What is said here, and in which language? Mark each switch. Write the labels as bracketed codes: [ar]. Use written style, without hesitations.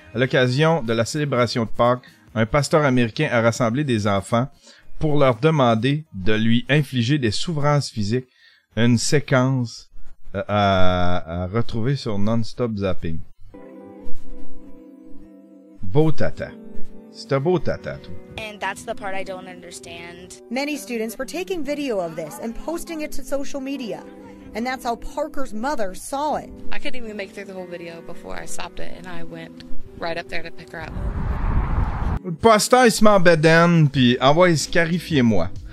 [fr] À l'occasion de la célébration de Pâques, un pasteur américain a rassemblé des enfants pour leur demander de lui infliger des souffrances physiques. Une séquence à retrouver sur Non-Stop Zapping. Beau tata. C'est un beau tata, toi. [en] And that's the part I don't understand. Many students were taking video of this and posting it to social media. And that's how Parker's mother saw it. I couldn't even make through the whole video before I stopped it and I went right up there to pick her up. [fr] Le pasteur, il se met en bedaine, puis envoie il scarifier moi.